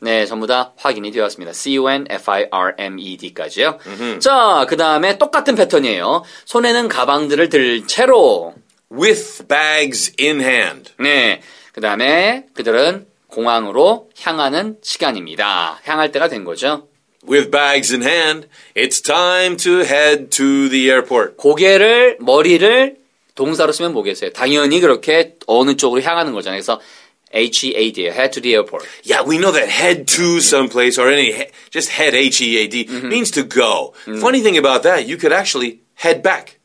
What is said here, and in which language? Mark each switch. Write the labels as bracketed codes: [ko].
[ko] 네, 전부 다 확인이 되었습니다. [en] C-O-N-F-I-R-M-E-D까지요. Mm-hmm. [ko] 자, 그 다음에 똑같은 패턴이에요. 손에는 가방들을 들 채로. [en] With bags in hand. [ko] 네, 그 다음에 그들은 공항으로 향하는 시간입니다. 향할 때가 된 거죠. [en] With bags in hand, it's time to head to the airport. [ko] 고개를, 머리를 동사로 쓰면 뭐겠어요? 당연히 그렇게 어느 쪽으로 향하는 거잖아요. [en] 그래서 H-E-A-D, head to the airport. Yeah, we know that head to someplace or any, just head H-E-A-D mm-hmm. means to go. Mm-hmm. Funny thing about that, you could actually head back,